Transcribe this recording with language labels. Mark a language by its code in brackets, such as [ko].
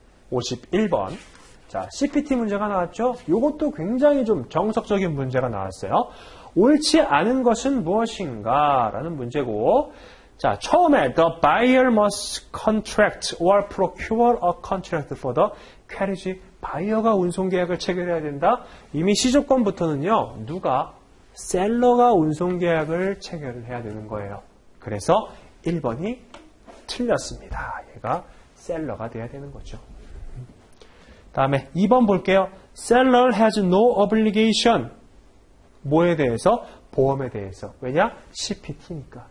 [ko] 51번. 자, CPT 문제가 나왔죠? 요것도 굉장히 좀 정석적인 문제가 나왔어요. 옳지 않은 것은 무엇인가? 라는 문제고. 자, 처음에 [en] the buyer must contract or procure a contract for the carriage. [ko] 바이어가 운송 계약을 체결해야 된다? 이미 시조건부터는요, 누가? 셀러가 운송 계약을 체결을 해야 되는 거예요. 그래서 1번이 틀렸습니다. 얘가 셀러가 돼야 되는 거죠. 다음에 2번 볼게요. [en] Seller has no obligation. [ko] 뭐에 대해서? 보험에 대해서. 왜냐? CPT니까.